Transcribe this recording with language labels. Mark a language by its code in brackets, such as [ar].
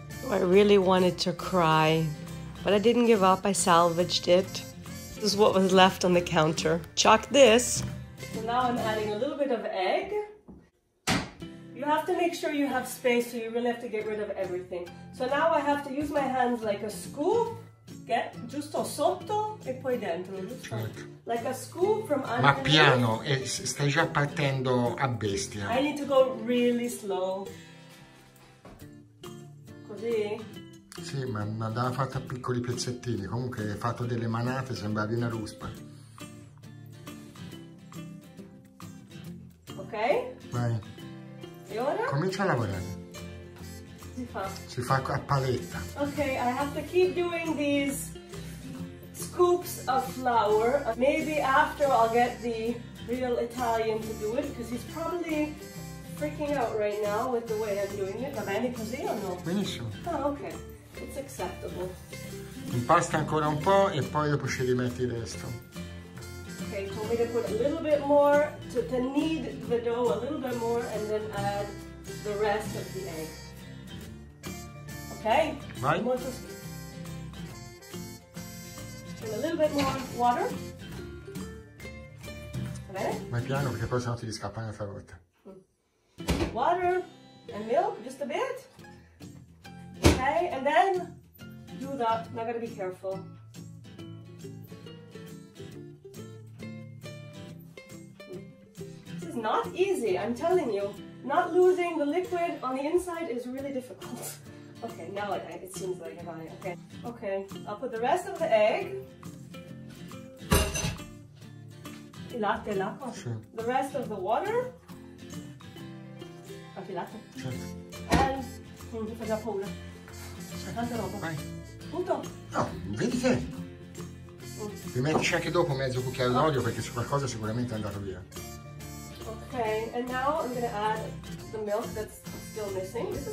[en] I really wanted to cry, but I didn't give up. I salvaged it. This is what was left on the counter. Chuck this. So now I'm adding a little bit of egg. You have to make sure you have space, so you really have to get rid of everything. So now I have to use my hands like a scoop. [it] Get giusto sotto e poi dentro. [en] Like a scoop from under. [it] Ma piano, stai già partendo a bestia. [en] I need to go really slow. [it] Sì, ma andava fatta a piccoli pezzettini. Comunque hai fatto delle manate, sembravi una ruspa. Ok. Vai. E ora? Comincia a lavorare. Si fa. Si fa a paletta. [en] Ok, I have to keep doing these scoops of flour. Maybe after I'll get the real Italian to do it, because he's probably freaking out right now with the way I'm doing it. [it] Va bene così o no? Benissimo. [en] Oh, okay. It's acceptable. [it] Impasta ancora un po' e poi dopo ci rimetti il resto. [en] Okay, told me to put a little bit more to knead the dough a little bit more and then add the rest of the egg. Okay? [it] Vai. [en] And a little bit more water. [it] Va bene? Ma piano perché poi sennò ti scappa una favola. [en] Water and milk, just a bit. Okay, and then do that. Now I gotta be careful. This is not easy, I'm telling you. Not losing the liquid on the inside is really difficult. Okay, now it seems like I got it. Okay. Okay, I'll put the rest of the egg. [it] Il latte e l'acqua. [en] The rest of the water. [it] Certo. And non ti faccia paura. C'è tanta roba. Vai. Punto. No, vedi che. Rimettici anche dopo mezzo cucchiaio d'olio perché su qualcosa sicuramente è andato via. [en] Ok, and now I'm gonna add the milk that's still missing.